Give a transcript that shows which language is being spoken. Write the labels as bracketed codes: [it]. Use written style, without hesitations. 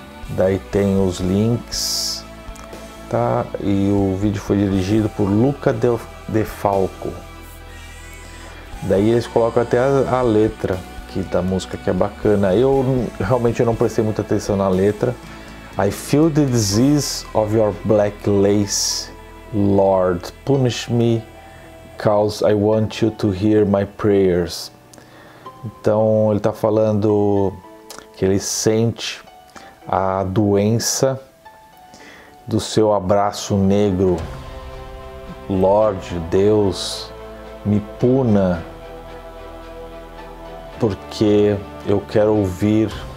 [pt] Daí tem os links, tá? E o vídeo foi dirigido por Luca De Falco. Daí eles colocam até a letra aqui da música, que é bacana. Eu realmente não prestei muita atenção na letra. [en] I feel the disease of your black lace, Lord. Punish me, cause I want you to hear my prayers. [pt] Então ele tá falando que ele sente a doença do seu abraço negro. Lorde, Deus, me puna, porque eu quero ouvir.